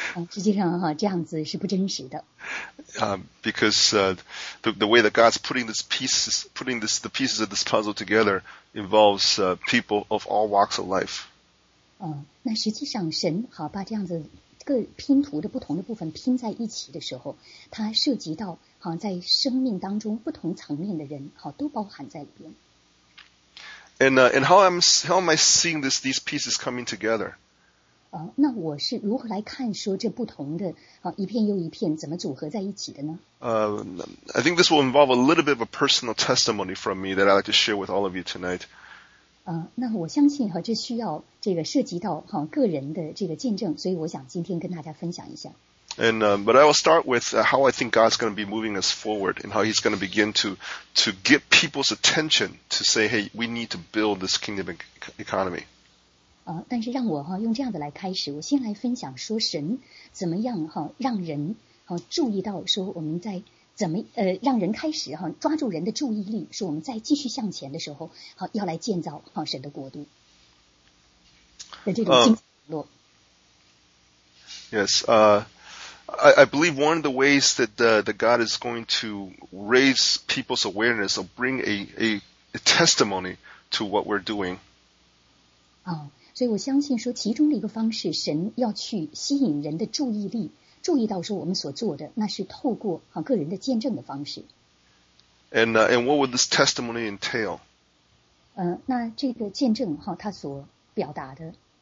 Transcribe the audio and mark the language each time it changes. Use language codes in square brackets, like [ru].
[zh] 实际上这样子是不真实的。 [en] Because the way that God's putting the pieces of this puzzle together involves people of all walks of life. [zh] 那实际上神把这样子各拼图的不同的部分拼在一起的时候，它涉及到在生命当中不同层面的人都包含在里边。 [en] And how am I seeing these pieces coming together? [zh] 那我是如何来看说这不同的一片又一片怎么组合在一起的呢？ [en] I think this will involve a little bit of a personal testimony from me that I'd like to share with all of you tonight. [zh] 那我相信这需要这个涉及到个人的这个见证，所以我想今天跟大家分享一下。 [en] But I will start with how I think God's going to be moving us forward and how he's going to begin to get people's attention to say, hey, we need to build this kingdom economy. [zh] 但是让我用这样的来开始，我先来分享说神怎么样让人注意到说我们在怎么让人开始抓住人的注意力，说我们再继续向前的时候要来建造神的国度的这种经济网络。 [en] Yes, I believe one of the ways that God is going to raise people's awareness or bring a testimony to what we're doing. [zh] 所以我相信说其中的一个方式，神要去吸引人的注意力，注意到说我们所做的，那是透过个人的见证的方式。 [en] And what would this testimony entail? [zh] 那这个见证它所表达的。